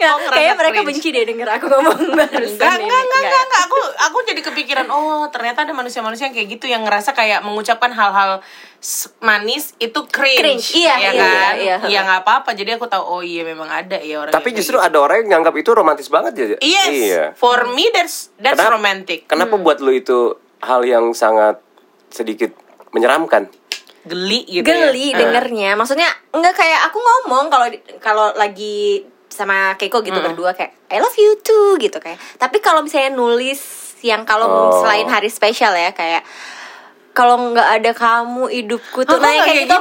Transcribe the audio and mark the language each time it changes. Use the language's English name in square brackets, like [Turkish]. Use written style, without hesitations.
[Indonesian] Kayak mereka benci deh denger aku ngomong barusan. Enggak. Aku jadi kepikiran, oh ternyata ada manusia-manusia yang kayak gitu, yang ngerasa kayak mengucapkan hal-hal manis itu cringe. Iya, kan? Ya gak apa-apa. Jadi aku tahu, oh iya memang ada ya orang. Tapi justru ada orang yang nganggap itu romantis banget ya. [English] Yes, for me that's [Indonesian] kenapa, [English] romantic. [Indonesian] Kenapa buat lu itu hal yang sangat sedikit menyeramkan. Geli gitu. Geli ya. Dengernya. Maksudnya enggak kayak aku ngomong kalau lagi sama Keiko gitu berdua kayak [English] I love you too [Indonesian] gitu kayak. Tapi kalau misalnya nulis yang kalau selain hari spesial ya kayak kalau enggak ada kamu hidupku tuh naik kayak gitu.